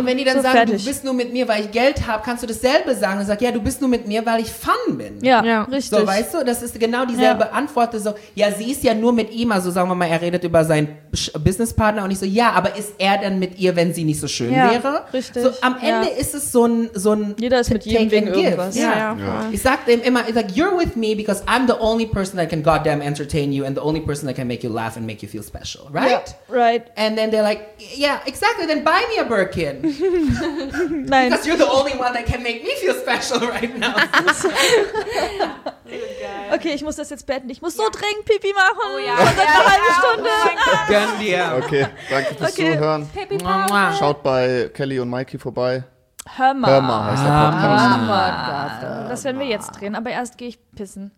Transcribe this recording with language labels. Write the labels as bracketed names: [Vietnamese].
[German] Und wenn die dann so sagen, fertig, du bist nur mit mir, weil ich Geld habe, kannst du dasselbe sagen und sagst, ja, du bist nur mit mir, weil ich Fun bin. Ja, ja, richtig. So, weißt du, das ist genau dieselbe, ja, Antwort. So, ja, sie ist ja nur mit ihm, also sagen wir mal, er redet über seinen Businesspartner und ich so, ja, aber ist er denn mit ihr, wenn sie nicht so schön, ja, wäre? Richtig. So, am Ende, ja, ist es so ein jeder ist mit jedem wegen irgendwas. Ja. Ja. Ja. Ich sag dem immer, ich sag, [English] you're with me because I'm the only person that can goddamn entertain you and the only person that can make you laugh and make you feel special, right? Yeah, right. And then they're like, yeah, exactly, then buy me a Birkin. [German] Nein. [English] Because you're the only one that can make me feel special right now. [German] Okay, ich muss das jetzt beenden. Ich muss, ja, so dringend Pipi machen. Oh ja. Und dann, ja, eine, ja, halbe Stunde. Gönn dir. Okay, danke fürs, okay, Zuhören. Pipi, schaut bei Kelly und Mikey vorbei. Hör mal heißt der Podcast. Oh Gott, das werden wir jetzt drehen, aber erst gehe ich pissen.